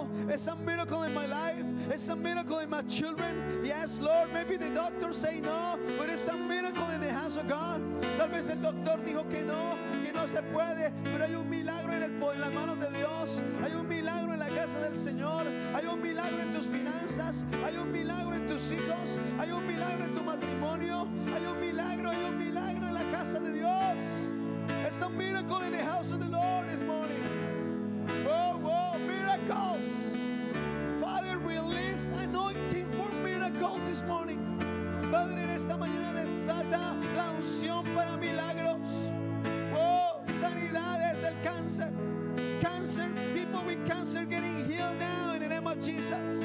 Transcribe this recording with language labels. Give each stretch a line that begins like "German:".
English: It's a miracle in my life. It's a miracle in my children. Yes, Lord, maybe the doctor say no, but it's a miracle in the hands of God.
Spanish: Tal vez el doctor dijo que no se puede, pero hay un milagro en el poder, en las manos de Dios. Hay un milagro en la casa del Señor. Hay un milagro en tus finanzas. Hay un milagro en tus hijos. Hay un milagro en tu matrimonio. Hay un milagro en la casa de Dios.
English: It's a miracle in the house of the Lord this morning. Whoa, whoa, miracles. Father, release anointing for miracles this morning.
Spanish: Padre, en esta mañana desata la unción para milagros. Whoa, sanidades del cáncer.
English: Cáncer, people with cancer getting healed now in the name of Jesus.